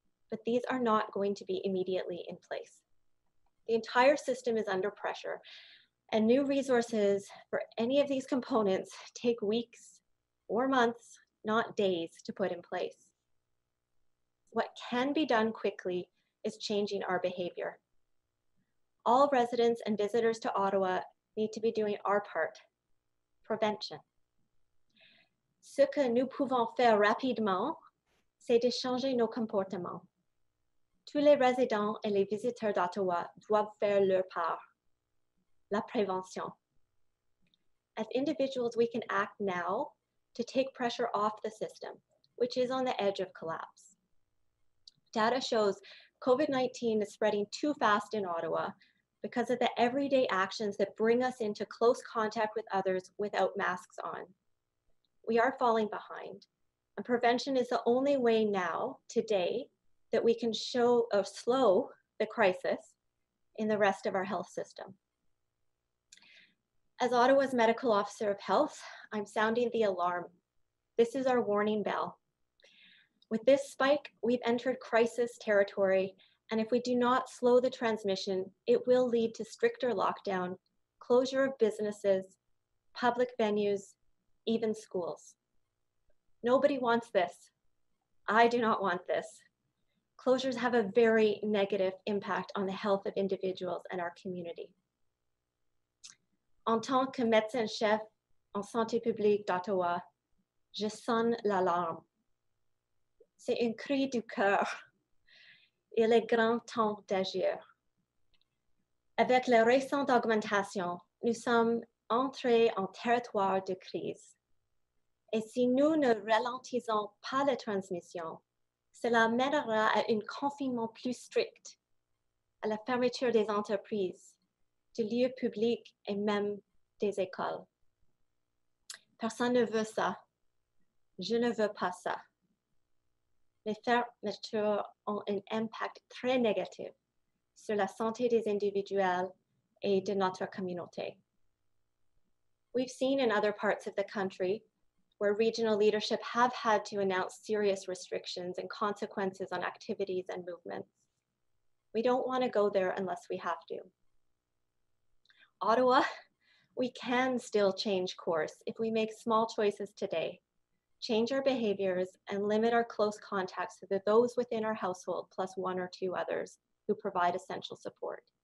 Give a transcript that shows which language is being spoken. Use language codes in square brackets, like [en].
[en] But these are not going to be immediately in place. The entire system is under pressure, and new resources for any of these components take weeks or months, not days, to put in place. What can be done quickly is changing our behavior. All residents and visitors to Ottawa need to be doing our part, prevention. [fr] Ce que nous pouvons faire rapidement, c'est de changer nos comportements. Tous les résidents et les visiteurs d'Ottawa doivent faire leur part. La prévention. [en] As individuals, we can act now to take pressure off the system, which is on the edge of collapse. Data shows COVID-19 is spreading too fast in Ottawa because of the everyday actions that bring us into close contact with others without masks on. We are falling behind, and prevention is the only way now, today, that we can show or slow the crisis in the rest of our health system. As Ottawa's Medical Officer of Health, I'm sounding the alarm. This is our warning bell. With this spike, we've entered crisis territory, and if we do not slow the transmission, it will lead to stricter lockdown, closure of businesses, public venues, even schools. Nobody wants this. I do not want this. Closures have a very negative impact on the health of individuals and our community. [fr] En tant que médecin-chef en santé publique d'Ottawa, je sonne l'alarme. C'est un cri du cœur. Il est grand temps d'agir. Avec la récente augmentation, nous sommes entrés en territoire de crise. Et si nous ne ralentissons pas la transmission, cela mènera à un confinement plus strict, à la fermeture des entreprises, des lieux publics et même des écoles. Personne ne veut ça. Je ne veux pas ça. Les fermetures ont un impact très négatif sur la santé des individuels et de notre communauté. [en] We've seen in other parts of the country where regional leadership have had to announce serious restrictions and consequences on activities and movements. We don't want to go there unless we have to. Ottawa, we can still change course if we make small choices today, change our behaviors, and limit our close contacts to those within our household plus one or two others who provide essential support.